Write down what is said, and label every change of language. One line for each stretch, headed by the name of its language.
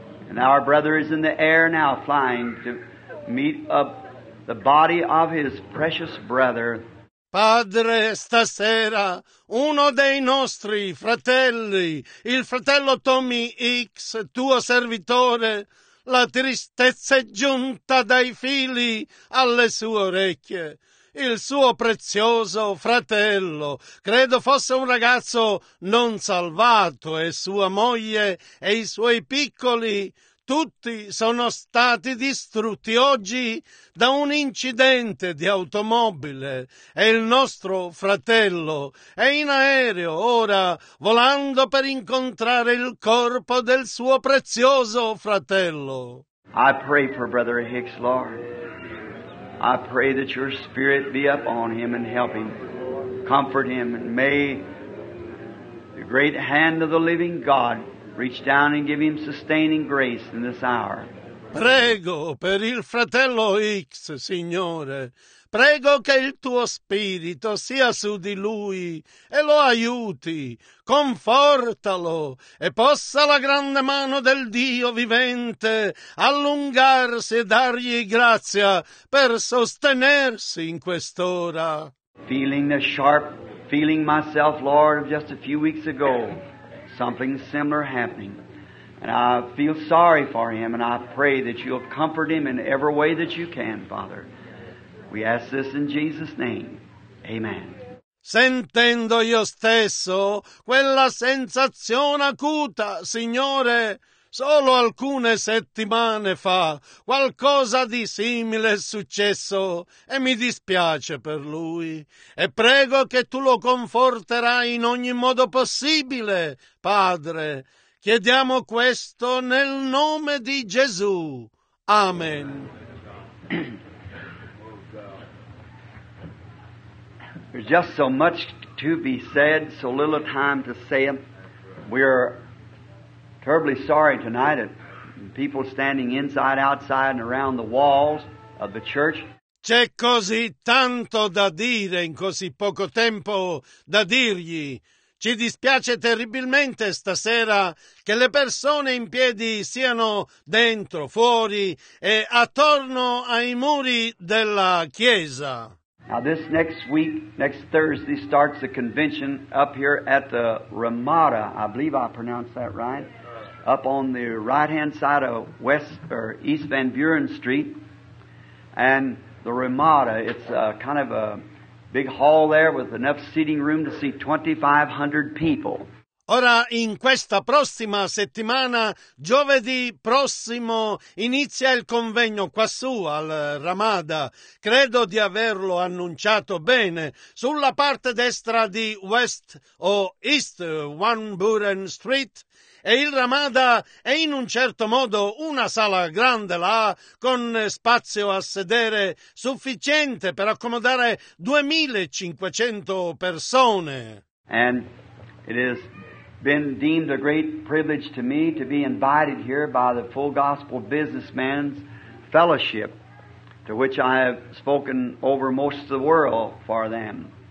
English: And our brother is in the air now flying to meet up the body of his precious brother.
Italian: Padre, stasera uno dei nostri fratelli, il fratello Tommy X, tuo servitore, la tristezza è giunta dai fili alle sue orecchie. Il suo prezioso fratello, credo fosse un ragazzo non salvato, e sua moglie e i suoi piccoli, tutti sono stati distrutti oggi da un incidente di automobile, e il nostro fratello è in aereo ora, volando per incontrare il corpo del suo prezioso fratello.
English: I pray for Brother Hicks, Lord. I pray that your spirit be up on him and help him, comfort him, and may the great hand of the living God reach down and give him sustaining grace in this hour.
Italian: Prego per il fratello X, Signore. Prego che il tuo spirito sia su di lui e lo aiuti, confortalo, e possa la grande mano del Dio vivente allungarsi e dargli grazia per sostenersi in quest'ora.
English: Feeling the sharp feeling myself, Lord, of just a few weeks ago, something similar happening. And I feel sorry for him, and I pray that you'll comfort him in every way that you can, Father. We ask this in Jesus' name. Amen.
Italian: Sentendo io stesso quella sensazione acuta, Signore, solo alcune settimane fa qualcosa di simile è successo e mi dispiace per lui. E prego che tu lo conforterai in ogni modo possibile, Padre. Chiediamo questo nel nome di Gesù. Amen.
English: There's just so much to be said, so little time to say it. We are terribly sorry tonight at people standing inside, outside, and around the walls of the church.
Italian: C'è così tanto da dire in così poco tempo da dirgli. Ci dispiace terribilmente stasera che le persone in piedi siano dentro, fuori e attorno ai muri della chiesa.
English: Now this next week, next Thursday, starts the convention up here at the Ramada. I believe I pronounced that right. Up on the right-hand side of East Van Buren Street. And the Ramada, it's kind of a big hall there with enough seating room to seat 2,500 people.
Italian: Ora, in questa prossima settimana, giovedì prossimo, inizia il convegno quassù al Ramada. Credo di averlo annunciato bene. Sulla parte destra di West o East Van Buren Street. E il Ramada è in un certo modo una sala grande là, con spazio a sedere sufficiente per accomodare 2,500 persone.
English: And it is been deemed a great privilege to me to be invited here by the Full Gospel Businessman's Fellowship, to which I have spoken over most of the world for them.